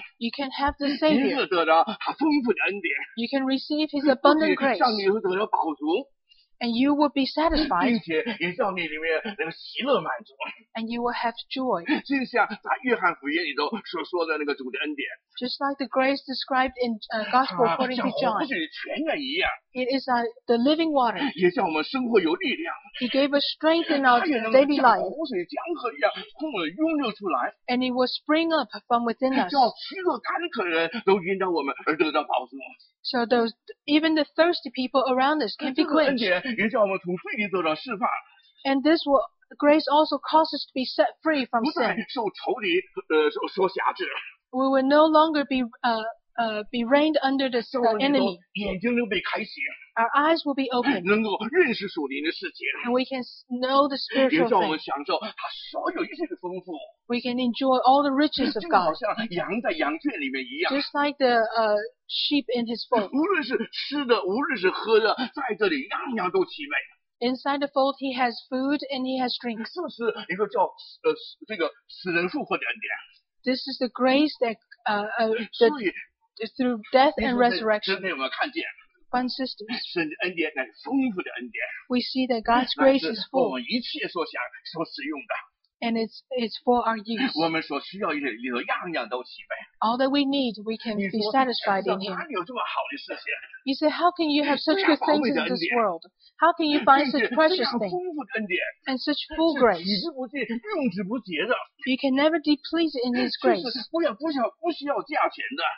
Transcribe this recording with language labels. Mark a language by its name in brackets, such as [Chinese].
[English] You can have the Savior. [Chinese] 你可得着他丰富的恩典。 [English] You can receive His abundant grace. [Chinese] 上帝又得着宝足。 [English] And you will be satisfied. [Chinese] 并且也叫你里面能喜乐满足。 [English] And you will have joy. [Chinese] 就像在约翰福音里头所说的那个主的恩典。 [English] Just like the grace described in Gospel according to John. [Chinese] 像活水泉源一样。 [English] It is the living water. [Chinese] 也叫我们生活有力量。 [English] He gave us strength in our daily life. [Chinese] 像活水江河一样充满涌流出来。 [English] And it will spring up from within us. [Chinese] 叫饥饿干渴的人都引导我们而得到饱足。 [English] So those, even the thirsty people around us can be quenched. And this will, grace also causes us to be set free from sin. [Chinese] 不再受仇敌所辖制。 [English] We will no longer be reigned under the enemy. [Chinese] 眼睛能被开启。 [English] Our eyes will be open. [Chinese] 能够认识属灵的世界。 [English] And we can know the spiritual things. [Chinese] 也叫我们享受他所有一切的丰富。 [English] We can enjoy all the riches of God. [Chinese] 就好像羊在羊圈里面一样。 [English] Just like the sheep in his fold. [Chinese] 无论是吃的，无论是喝的，在这里样样都齐备。 [English] Inside the fold, he has food and he has drinks. [Chinese] 这是一个叫这个死人复活的恩典。 [English] This is the grace that through death and resurrection. [Chinese] 今天我们看见。 [English] Fun sisters, [Chinese] 神恩典乃丰富的恩典。 [English] We see that God's grace is full. [Chinese] 我们一切所想所使用的。 [English] And it's for our use. [Chinese] 我们所需要的里头样样都齐备。 [English] All that we need, we can be satisfied in Him. [Chinese] 哪里有这么好的事情？ [English] You say, how can you have such good things in this world? How can you find such precious things? [Chinese] 这样丰富的恩典。 [English] And such full grace. [Chinese] 取之不尽，用之不竭的。 [English] You can never deplete in His grace. [Chinese] 不需要价钱的。